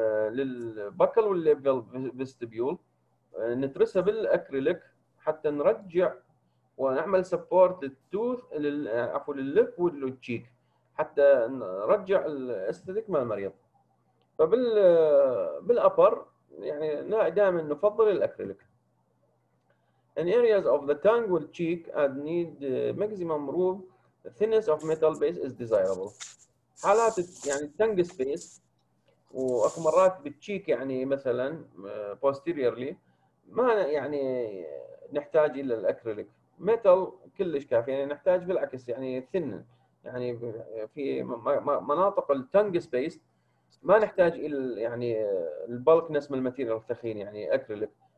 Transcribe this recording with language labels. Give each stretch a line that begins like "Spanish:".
Arabic: للبكل واللب فيستبيول نترسها بالاكريليك حتى نرجع ونعمل سبورت للتوث عفوا لللب والتشيك حتى نرجع الاستيتيك مال المريض. فبالأبر يعني دائما نفضل الاكريليك.
English: In areas of the tongue and cheek and need maximum room the thinness of metal base is desirable.
Arabic: حالات يعني التنج سبيس واكو مرات بالتشيك يعني مثلا posteriorly ما يعني نحتاج الى الاكريليك، ميتال كلش كافي، يعني نحتاج بالعكس يعني ثن يعني في مناطق التنج سبيس ما نحتاج الى يعني البلك نفس من الماتيريال الثخين يعني اكريليك.